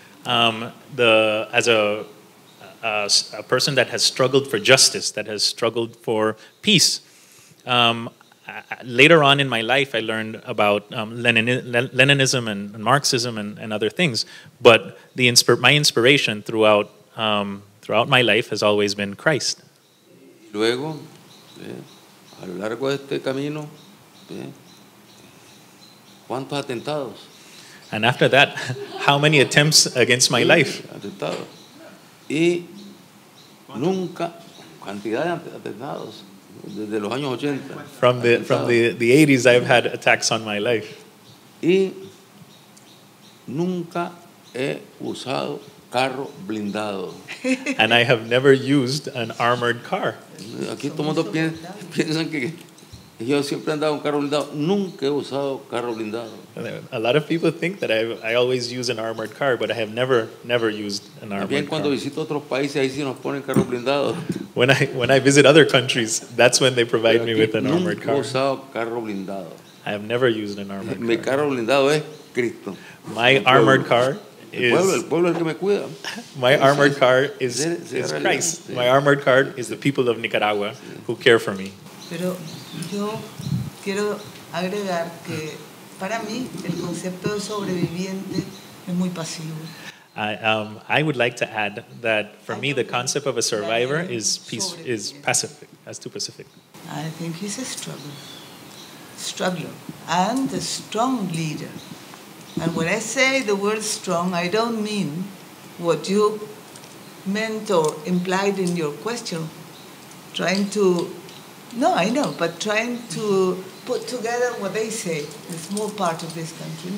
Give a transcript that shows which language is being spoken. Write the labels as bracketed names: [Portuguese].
[English] As a person that has struggled for justice, that has struggled for peace. Later on in my life, I learned about Leninism and Marxism and other things. But my inspiration throughout my life has always been Christ. [Spanish] Luego, a lo largo de este camino, ¿cuántos atentados? [English] And after that, how many attempts against my life? [Spanish] Atentados. Y nunca cantidad de atentados. Desde los años 80. [English] From the 80s, I've had attacks on my life. [Spanish] Y nunca he usado carro blindado. [English] And I have never used an armored car. [Spanish] Aquí todo el mundo piensa que yo siempre andaba un carro blindado. Nunca he usado carro blindado. [English] A lot of people think that I always use an armored car, but I have never used an armored car. [Spanish] También cuando visito otros países, ahí sí nos ponen carro blindado. [English] When I visit other countries, that's when they provide me with an armored car. [Spanish] Nunca he usado carro blindado. [English] I have never used an armored car. [Spanish] Mi carro blindado es Cristo. [English] My armored car is... [Spanish] El pueblo es el que me cuida. [English] My armored car is Christ. My armored car is the people of Nicaragua who care for me. [Spanish] Pero yo quiero agregar que para mí el concepto de sobreviviente es muy pasivo. [English] I would like to add that for me the concept of a survivor is peace, is pacific, as too pacific. I think he's a struggler and a strong leader. And when I say the word strong, I don't mean what you meant or implied in your question, trying to put together what they say, the small part of this country.